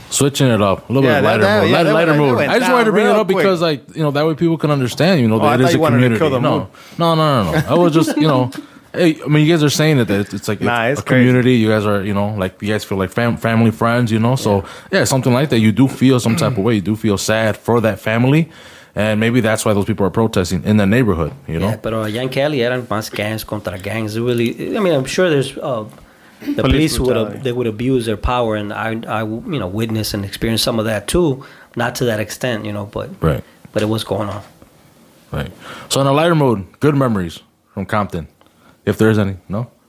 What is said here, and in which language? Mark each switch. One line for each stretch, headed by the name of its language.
English: Switching it up a little bit lighter, that, mode. Yeah, lighter mode. I just wanted to bring it up because, like, you know, that way people can understand. You know, that it is a community. No. I was just, you know, hey, I mean, you guys are saying that it's like it's a community. You guys are, you know, like, you guys feel like family, friends, you know? So, yeah, something like that. You do feel some type of way. You do feel sad for that family. And maybe that's why those people are protesting in the neighborhood, you know?
Spanish: Yeah, pero allá en Cali eran más gangs contra gangs.
English: Really, I mean, I'm sure there's the police would abuse their power. And I, you know, witnessed and experienced some of that, too. Not to that extent, you know, but but it was going on. Right. So, in a lighter mode, good memories from Compton. If there is any, no?